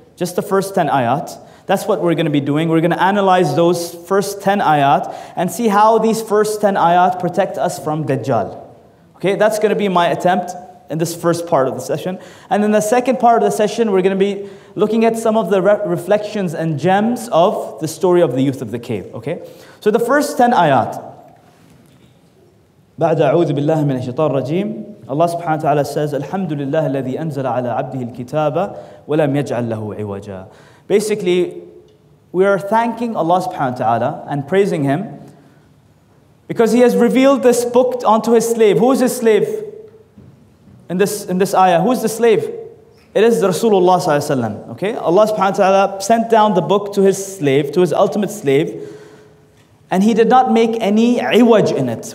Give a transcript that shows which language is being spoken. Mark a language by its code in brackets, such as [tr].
[en] Just the first 10 ayat. That's what we're going to be doing. We're going to analyze those first 10 ayat and see how these first 10 ayat protect us from Dajjal. Okay, that's going to be my attempt in this first part of the session. And in the second part of the session, we're going to be looking at some of the reflections and gems of the story of the youth of the cave. Okay, so the first 10 ayat. [ar] بعد أعوذ بالله من الشيطان الرجيم الله سبحانه وتعالى [en] says [ar] الحمد لله الذي أنزل على عبده الكتاب ولم يجعل له عوجا. [en] Basically, we are thanking Allah subhanahu wa ta'ala and praising Him because He has revealed this book onto His slave. Who is His slave? in this ayah, who's the slave? It is the Rasulullah sallallahu alayhi wa sallam. Okay? Allah subhanahu wa ta'ala sent down the book to his slave, to his ultimate slave, and he did not make any iwaj in it.